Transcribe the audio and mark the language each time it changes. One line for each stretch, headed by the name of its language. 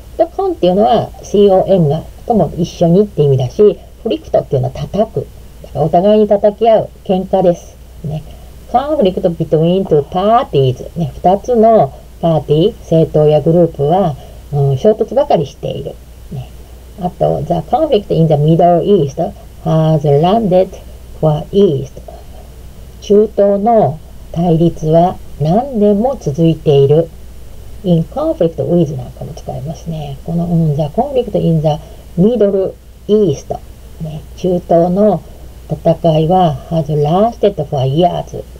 Japanese: で、コンっていうのは、C-O-N が、とも一緒にって意味だし、フリクトっていうのは叩く。だからお互いに叩き合う、喧嘩です。ね。コンフリクト
English: between two parties。
Japanese: ね、二つのパーティー、政党やグループは、衝突ばかりしている、ね。
English: あと、The conflict in the Middle East has landed for East.
Japanese: 中東の対立は何年も続いている。
English: In conflict with
Japanese: なんかも使いますね。
English: この、The conflict in the Middle East、ね。
Japanese: 中東の戦いは
English: has lasted for years。